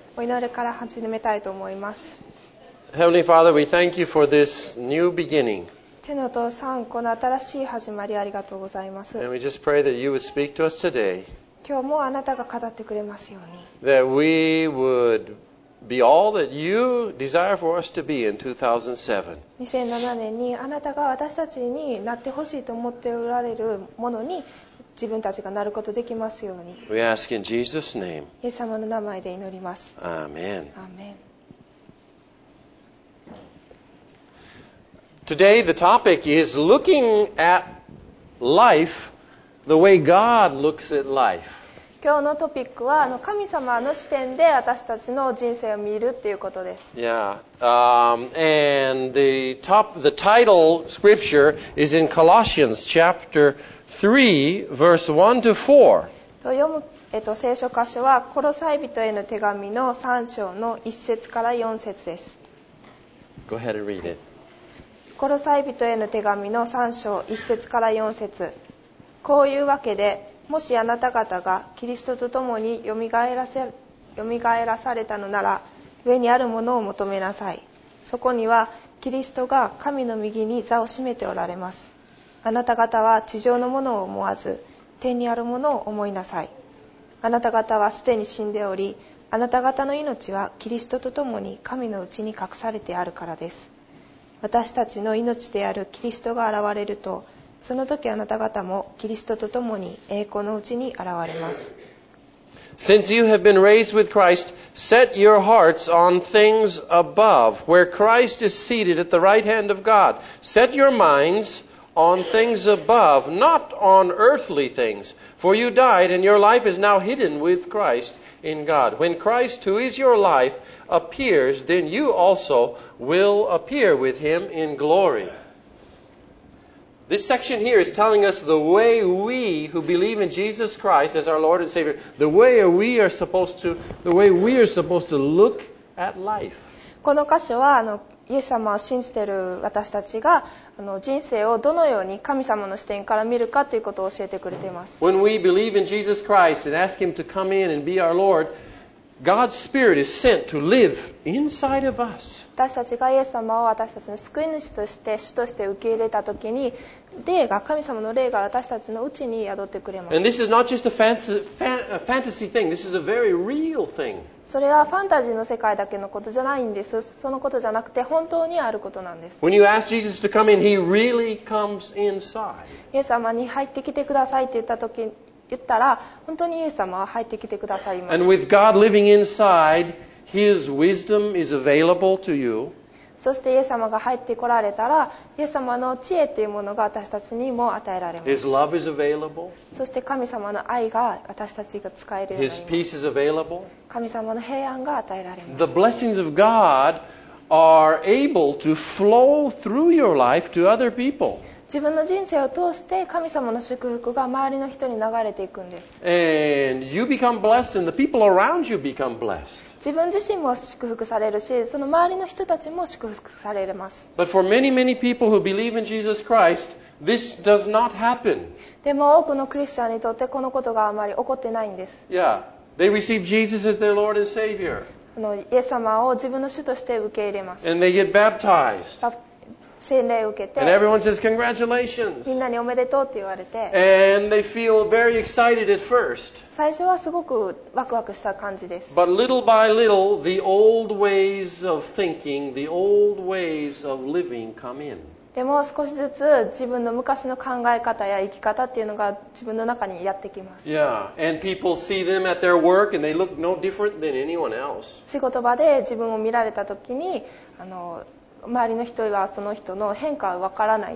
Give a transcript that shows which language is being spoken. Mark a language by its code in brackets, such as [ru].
[ja] お祈りから始めたいと思います。 [en] Heavenly Father, we thank you for this new beginning. [ja] 天のお父さん、この新しい始まりありがとうございます。 [en] And we just pray that you would speak to us today. [ja] 今日もあなたが語ってくれますように。 [en] That we would be all that you desire for us to be in 2007. [ja] 2007年にあなたが私たちになってほしいと思っておられるものに自分たちがなることできますように。 [en] We ask in Jesus' name. [ja] イエス様の名前で祈ります。 [en] Amen. Amen. Today the topic is looking at life the way God looks at life. [ja] 今日のトピックは神様の視点で私たちの人生を見るっていうことです。 [en] Yeah. And the title scripture is in Colossians chapter. 3:1-4. [ja] 読む、聖書箇所はコロサイ人への手紙の3章の1節から4節です。 [en] Go ahead and read it. [ja] コロサイ人への手紙の3章1節から4節。こういうわけで、もしあなた方がキリストと共によみがえらされたのなら、上にあるものを求めなさい。そこにはキリストが神の右に座を占めておられます。あなた方は地上のものを思わず、天にあるものを思いなさい。あなた方はすでに死んでおり、あなた方の命はキリストと共に神のうちに隠されてあるからです。私たちの命であるキリストが現れると、その時あなた方もキリストと共に栄光のうちに現れます。 [en] Since you have been raised with Christ, set your hearts on things above, where Christ is seated at the right hand of God. Set your minds... On things above, not on earthly things. For you died, and your life is now hidden with Christ in God. When Christ, who is your life, appears, then you also will appear with him in glory. This section here is telling us the way we who believe in Jesus Christ as our Lord and Savior, the way we are supposed to look at life. [ja] この箇所はイエス様を信じている私たちが人生をどのように神様の視点から見るかということを教えてくれています。 [en] When we believe in Jesus Christ and ask Him to come in and be our Lord, God's Spirit is sent to live inside of us. [ja] 私たちがイエス様を私たちの救い主として主として受け入れたときに霊が神様の霊が私たちのうちに宿ってくれます。 [en] And this is not just a fantasy thing. This is a very real thing. [ja] それはファンタジーの世界だけのことじゃないんです。そのことじゃなくて本当にあることなんです。 [en] When you ask Jesus to come in, He really comes inside. [ja] イエス様に入ってきてくださいって言った時、言ったら本当にイエス様は入ってきてくださいます。 [en] And with God living inside, His wisdom is available to you. [ja] そしてイエス様が入ってこられたら、イエス様の知恵というものが私たちにも与えられます。 [en] His love is available. [ja] そして神様の愛が私たちが使えるようになります。 [en] His peace is available. [ja] 神様の平安が与えられます。 [en] The blessings of God are able to flow through your life to other people. [ja] 自分の人生を通して神様の祝福が周りの人に流れていくんです。 [en] And you become blessed and the people around you become blessed. [ja] 自分自身も祝福されるし、その周りの人たちも祝福されます。 [en] But for many, many people who believe in Jesus Christ, this does not happen. [ja] でも多くのクリスチャンにとってこのことがあまり起こってないんです。 [en] Yeah. They receive Jesus as their Lord and Savior. [ja] イエス様を自分の主として受け入れます。 [en] And they get baptized. [ja] 洗礼を受けて。 [en] And everyone says, Congratulations. [ja] みんなにおめでとうって言われて。 [en] And they feel very excited at first. [ja] 最初はすごくワクワクした感じです。 [en] But little by little, the old ways of thinking, the old ways of living come in. [ja] でも少しずつ自分の昔の考え方や生き方っていうのが自分の中にやってきます。 [en] Yeah, and people see them at their work and they look no different than anyone else. [ja] 仕事場で自分を見られた時に周りの人はその人の変化はわからない。